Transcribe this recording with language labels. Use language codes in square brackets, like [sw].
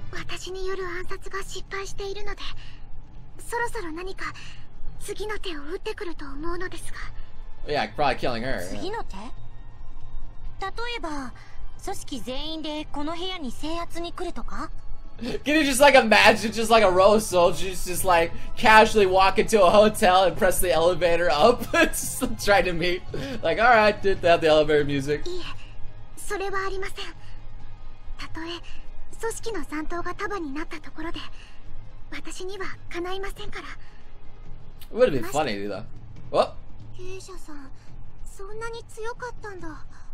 [ja] 私による暗殺が失敗しているので、そろそろ何か次の手を打ってくると思うのですが。 [en] Yeah, probably killing her. [ja] 次の手？例えば、組織全員でこの部屋に制圧に来るとか？ [en] Can you just like imagine just like a row of soldiers just like casually walk into a hotel and press the elevator up and just try to meet? Like, alright, did they have the elevator music? [ja] いえ、それはありません。たとえ組織の残党が束になったところで、私には叶いませんから。 [en] It would be funny, though. What? [ja] 勇者さん、そんなに強かったんだ。